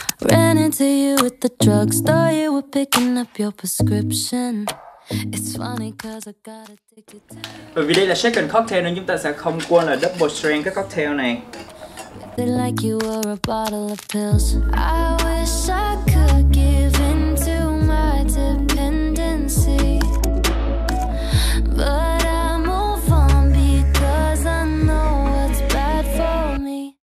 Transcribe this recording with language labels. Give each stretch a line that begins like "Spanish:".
English: Ran into you at the drugstore, you were picking up your prescription. It's funny cause I got addicted.
Vietnamese: Bởi vì đây là
English: second cocktail
Vietnamese: nên chúng ta sẽ không quên là
English: double strength
Vietnamese: cái cocktail này.
English: They like you were a bottle of pills. I wish I could give in to my dependency. But I move on because I know what's bad for me.